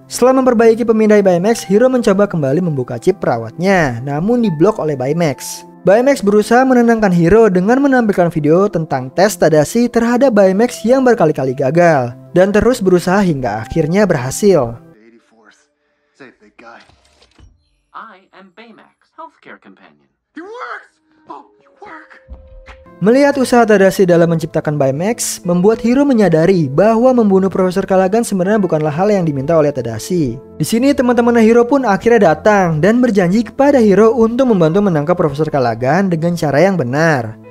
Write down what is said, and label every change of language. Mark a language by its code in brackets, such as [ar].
[id] Setelah memperbaiki pemindai Baymax, Hiro mencoba kembali membuka chip perawatnya, namun diblok oleh Baymax. Baymax berusaha menenangkan Hiro dengan menampilkan video tentang tes Tadashi terhadap Baymax yang berkali-kali gagal dan terus berusaha hingga akhirnya berhasil. [en] I am Baymax, healthcare companion. It works! Oh, it [id] Melihat usaha Tadashi dalam menciptakan Baymax, membuat Hiro menyadari bahwa membunuh Profesor Callaghan sebenarnya bukanlah hal yang diminta oleh Tadashi. Di sini teman-teman Hiro pun akhirnya datang dan berjanji kepada Hiro untuk membantu menangkap Profesor Callaghan dengan cara yang benar.